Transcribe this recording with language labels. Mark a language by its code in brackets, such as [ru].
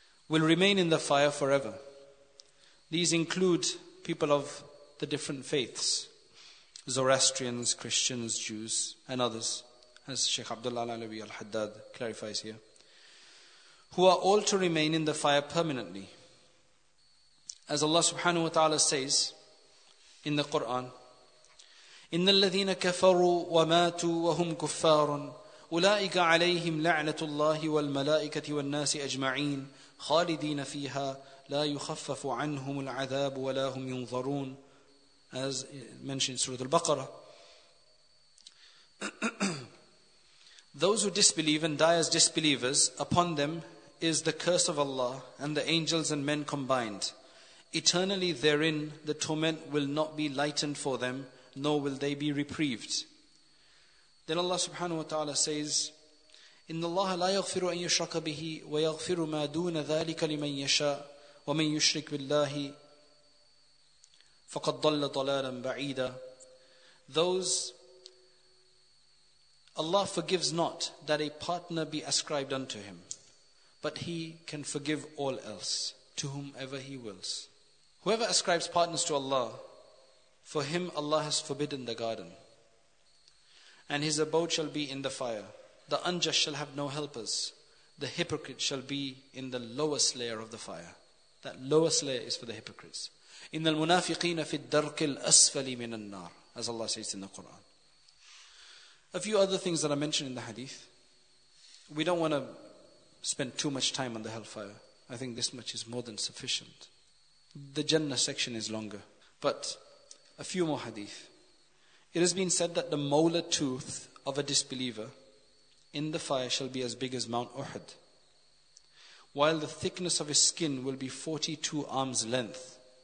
[en] will remain in the fire forever. These include people of the different faiths, Zoroastrians, Christians, Jews, and others, as Sheikh Abdullah Alawi al-Haddad clarifies here, who are all to remain in the fire permanently. As Allah subhanahu wa ta'ala says in the Quran, [ar] إِنَّ الَّذِينَ كَفَرُوا وَمَاتُوا وَهُمْ كُفَّارٌ أُولَٰئِكَ عَلَيْهِمْ لَعْنَةُ اللَّهِ وَالْمَلَائِكَةِ وَالنَّاسِ أَجْمَعِينَ خَالِدِينَ فِيهَا لَا يُخَفَّفُ عَنْهُمُ الْعَذَابُ وَلَا هُمْ يُنظَرُونَ. [en] As mentioned in Surah Al-Baqarah, those who disbelieve and die as disbelievers, upon them is the curse of Allah and the angels and men combined. Eternally therein, the torment will not be lightened for them, nor will they be reprieved. Then Allah subhanahu wa ta'ala says, [ar] إِنَّ اللَّهَ لَا يَغْفِرُ أَن يُشْرَكَ بِهِ وَيَغْفِرُ مَا دُونَ ذَٰلِكَ لِمَن يَشَاءُ وَمَن يُشْرِكْ بِاللَّهِ فَقَدْ ضَلَّ ضَلَالًا بَعِيدًا. [en] Those, Allah forgives not that a partner be ascribed unto Him, but He can forgive all else to whomever He wills. Whoever ascribes partners to Allah, for him Allah has forbidden the garden, and his abode shall be in the fire. The unjust shall have no helpers. The hypocrite shall be in the lowest layer of the fire. That lowest layer is for the hypocrites. [ar] إِنَّ الْمُنَافِقِينَ فِي الدَّرْكِ الْأَسْفَلِ مِنَ النَّارِ, [en] as Allah says in the Quran. A few other things that are mentioned in the hadith. We don't want to spend too much time on the hellfire. I think this much is more than sufficient. The Jannah section is longer. But a few more hadith. It has been said that the molar tooth of a disbeliever in the fire shall be as big as Mount Uhud, while the thickness of his skin will be 42 arms length.